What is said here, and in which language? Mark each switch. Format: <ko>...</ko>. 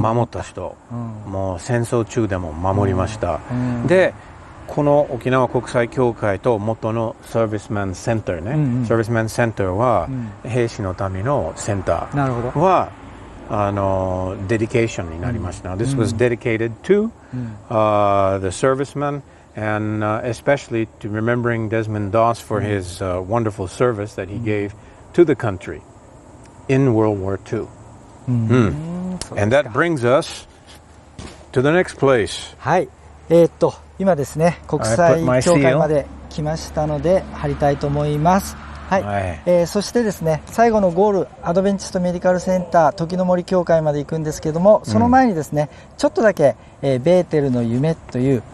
<ja>守った人、もう戦争中でも守りました。でこの沖縄国際教会と元のサービスマンセンターね、サービスマンセンターは兵士のためのセンターは、なるほど、デディケーションになりました。</ja> <en>This was dedicated to the servicemen and especially to remembering Desmond Doss for his wonderful service that he gave to the country in World War II. And that brings us to the next place.</en> <ja>はい。今ですね、国際協会まで来ましたので貼りたいと思います。はい、そしてですね、最後のゴールアドベンチストメディカルセンター時の森教会まで行くんですけども、その前にですね、ちょっとだけ、ベーテルの夢という、</ja>